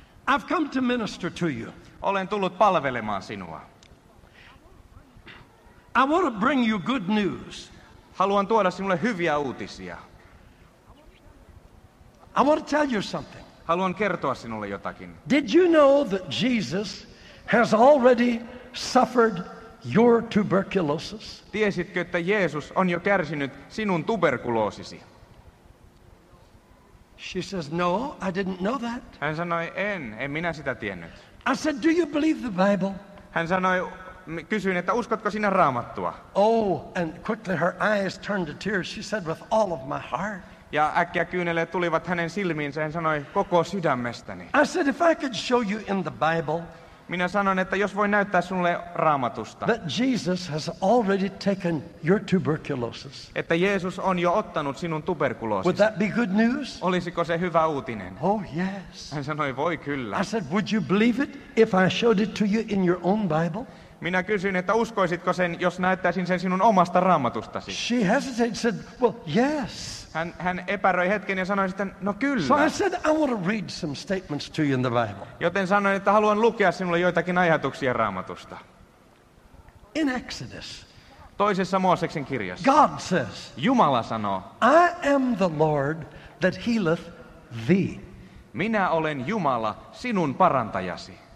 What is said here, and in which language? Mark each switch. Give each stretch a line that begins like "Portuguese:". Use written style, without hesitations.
English: I've come to minister to you.
Finnish: Olen tullut palvelemaan sinua.
English: I want to bring you good news.
Finnish: Haluan tuoda sinulle hyviä uutisia.
English: I want to tell you something.
Finnish: Haluan kertoa sinulle jotakin.
English: Did you know that Jesus has already suffered your tuberculosis?
Finnish: Tiesitkö, että Jeesus on jo kärsinyt sinun tuberkuloosisi?
English: She says, no, I didn't know that.
Finnish: Hän sanoi, en minä sitä tiennyt.
English: I said, do you believe the Bible?
Finnish: Hän sanoi, kysyin, että uskotko sinä Raamattua?
English: Oh, and quickly her eyes turned to tears. She said, with all of my heart.
Finnish: Ja äkkiä kyyneleet tulivat hänen silmiinsä, hän sanoi, koko sydämestäni.
English: I said, if I could show you in the Bible,
Finnish: minä sanoin, että jos voin näyttää sinulle Raamatusta,
English: that Jesus has already taken your tuberculosis,
Finnish: että Jeesus on jo ottanut sinun tuberkuloosisi.
English: Would that be good news?
Finnish: Olisiko se hyvä uutinen?
English: Oh, yes.
Finnish: Hän sanoi, voi kyllä.
English: I said, would you believe it if I showed it to you in your own Bible?
Finnish: Minä kysyin, että uskoisitko sen, jos näyttäisin sen sinun omasta Raamatustasi.
English: She hesitated, said, well, yes.
Finnish: Hän epäröi hetken ja sanoi sitten, no kyllä.
English: So I said, I want to read some statements to you in the Bible.
Finnish: Joten sanoin, että haluan lukea sinulle joitakin ajatuksia Raamatusta.
English: In Exodus.
Finnish: Toisessa Mooseksen kirjassa.
English: God says.
Finnish: Jumala sanoo.
English: I am the Lord that healeth thee.
Finnish: Minä olen Jumala, sinun parantajasi.